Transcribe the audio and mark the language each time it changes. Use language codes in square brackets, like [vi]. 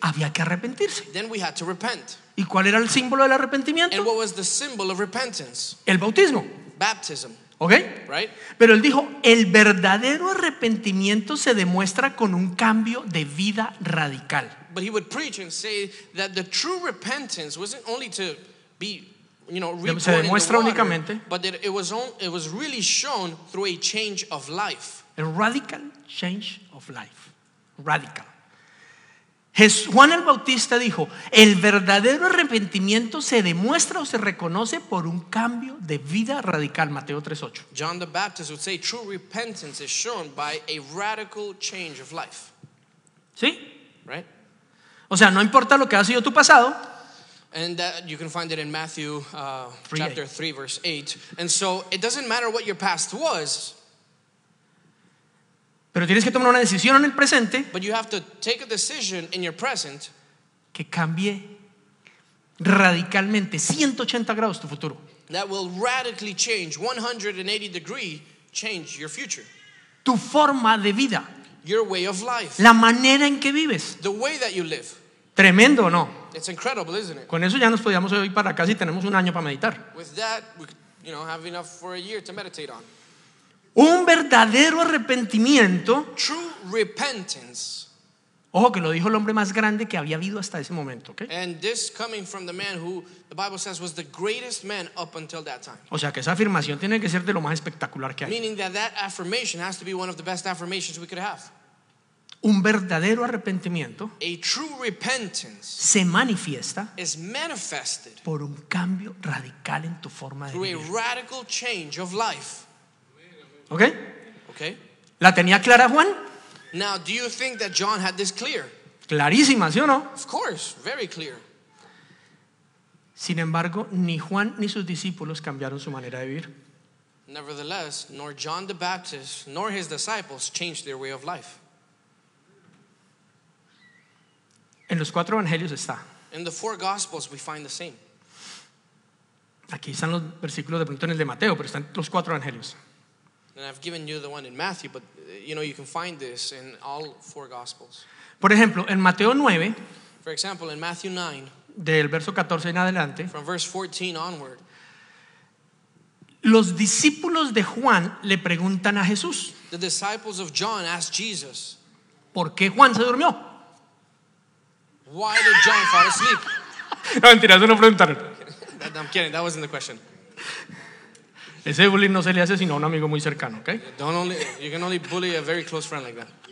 [es] había que arrepentirse. [en] Then we had to repent. [es] ¿Y cuál era el símbolo del arrepentimiento? [en] And what was the symbol of repentance? [es] El bautismo. [en] Baptism. ¿Okay? Right? [es] Pero él dijo, el verdadero arrepentimiento se demuestra con un cambio de vida radical. [en] But he would preach and say that the true repentance wasn't only to be, you know, reborn [es] se demuestra [en] in the water, [es] únicamente, [en] but that it was really shown through a change of life. A radical change of life. [es] Radical. Juan el Bautista dijo, el verdadero arrepentimiento se demuestra o se reconoce por un cambio de vida radical. Mateo 3:8. [en] John the Baptist would say true repentance is shown by a radical change of life. [es] ¿Sí? [en] Right? [es] O sea, no importa lo que ha sido tu pasado. [en] And that you can find it in Matthew chapter 3, verse 8. And so it doesn't matter what your past was. [es] Pero tienes que tomar una decisión en el presente. [en] But you have to take a decision in your present. [es] Que cambie radicalmente, 180 grados tu futuro. [en] That will radically change, 180 degree change your future. [es] Tu forma de vida. [en] Your way of life. [es] La manera en que vives. [en] The way that you live. [es] Tremendo, ¿no? [en] It's incredible, isn't it? [es] Con eso ya nos podíamos ir para casa y tenemos un año para meditar. [en] With that, we could, you know, have enough for a year to meditate on. [es] Un verdadero arrepentimiento. [en] True repentance. [es] Ojo, que lo dijo el hombre más grande que había habido hasta ese momento, ¿okay? [en] And this coming from the man who the Bible says was the greatest man up until that time. [es] O sea, que esa afirmación tiene que ser de lo más espectacular que hay. [en] Meaning that affirmation has to be one of the best affirmations we could have. [es] Un verdadero arrepentimiento, [en] a true repentance, [es] se manifiesta, [en] is manifested, [es] por un cambio radical en tu forma de [en] through [es] vivir. [en] A radical change of life. Okay. Okay. [es] ¿La tenía clara Juan? [en] Now, do you think that John had this clear? [es] Clarísima, ¿sí o no? [en] Of course, very clear. [es] Sin embargo, ni Juan ni sus discípulos cambiaron su manera de vivir. [en] Nevertheless, nor John the Baptist nor his disciples changed their way of life. [es] En los cuatro evangelios está. [en] In the four gospels we find the same. [es] Aquí están los versículos de pronto en el de Mateo, pero están los cuatro evangelios. [en] And I've given you the one in Matthew, but you know you can find this in all four gospels. [es] Por ejemplo, en Mateo 9, [en] for example, in Matthew 9, [es] del verso 14 en adelante, [en] from verse 14 onward, [es] los discípulos de Juan le preguntan a Jesús. [en] The disciples of John asked Jesus, [es] ¿por qué Juan se durmió? [en] Why did John fall asleep? [es] No, mentira, eso no preguntaron. [en] I'm kidding, that wasn't the question. [es] Ese bullying no se le hace sino a un amigo muy cercano, ¿ok? [en] Don't only, you can only bully a very close friend like that.